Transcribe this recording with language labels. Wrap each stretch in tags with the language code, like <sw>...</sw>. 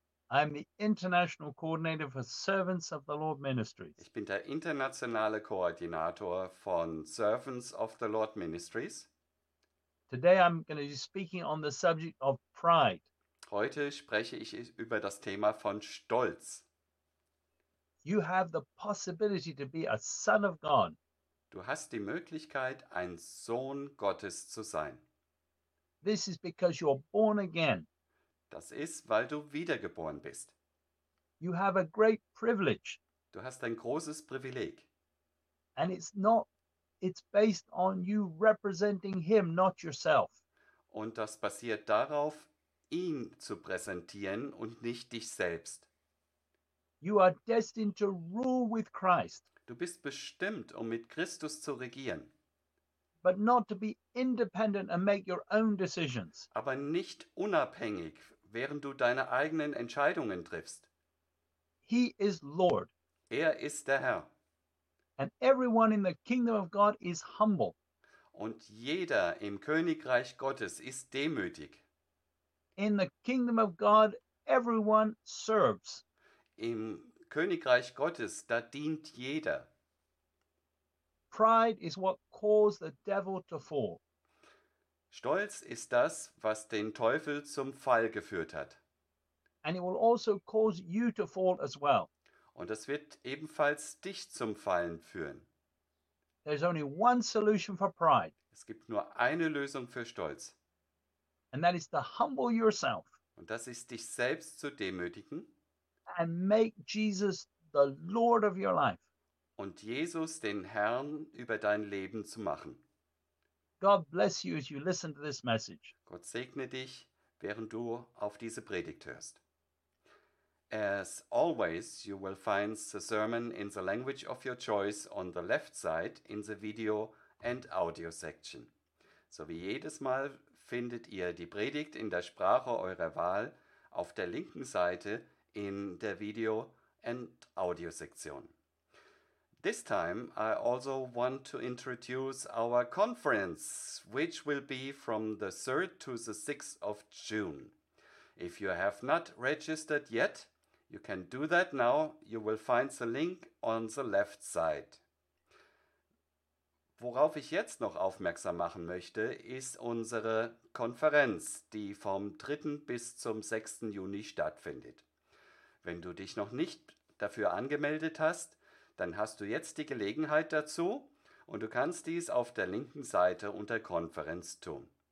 <en>I'm the International Coordinator for Servants of the Lord Ministries.</en> <de>Ich bin der internationale Koordinator von Servants of the Lord Ministries.</de> <en>Today I'm going to be speaking on the subject of pride.</en> <de>Heute spreche ich über das Thema von Stolz.</de> <en>You have the possibility to be a son of God.</en> <de>Du hast die Möglichkeit, ein Sohn Gottes zu sein.</de> <en>This is because you're born again.</en> <de>Das ist, weil du wiedergeboren bist.</de> <en>You have a great privilege.</en> <de>Du hast ein großes Privileg.</de> <en>And it's based on you representing him, not yourself.</en> <de>Und das basiert darauf, ihn zu präsentieren und nicht dich selbst.</de> <en>You are destined to rule with Christ.</en> <de>Du bist bestimmt, um mit Christus zu regieren.</de> <en>But not to be independent and make your own decisions.</en> <de>Aber nicht unabhängig, während du deine eigenen Entscheidungen triffst.</de> <en>He is Lord.</en> <de>Er ist der Herr.</de> <en>And everyone in the kingdom of God is humble.</en> <de>Und jeder im Königreich Gottes ist demütig.</de> <en>In the kingdom of God, everyone serves.</en> <de>Im Königreich Gottes, da dient jeder.</de> <en>Pride is what caused the devil to fall.</en> <de>Stolz ist das, was den Teufel zum Fall geführt hat.</de> <en>And it will also cause you to fall as well.</en> <de>Und das wird ebenfalls dich zum Fallen führen.</de> <en>There's only one solution for pride.</en> <de>Es gibt nur eine Lösung für Stolz.</de> <en>And that is to humble yourself.</en> <de>Und das ist, dich selbst zu demütigen.</de> <en>And make Jesus the Lord of your life.</en> <de>Und Jesus den Herrn über dein Leben zu machen.</de> <en>God bless you as you listen to this message.</en> <de>Gott segne dich, während du auf diese Predigt hörst.</de> <en>As always, you will find the sermon in the language of your choice on the left side in the video and audio section.</en> <de>So wie jedes Mal findet ihr die Predigt in der Sprache eurer Wahl auf der linken Seite in der Video- und Audio-Sektion.</de> <en>This time I also want to introduce our conference, which will be from the 3rd to the 6th of June. If you have not registered yet, you can do that now. You will find the link on the left side.</en> <de>Worauf ich jetzt noch aufmerksam machen möchte, ist unsere Konferenz, die vom 3. bis zum 6. Juni stattfindet. Wenn du dich noch nicht dafür angemeldet hast, dann hast du jetzt die Gelegenheit dazu und du kannst dies auf der linken Seite unter Konferenz tun.</de>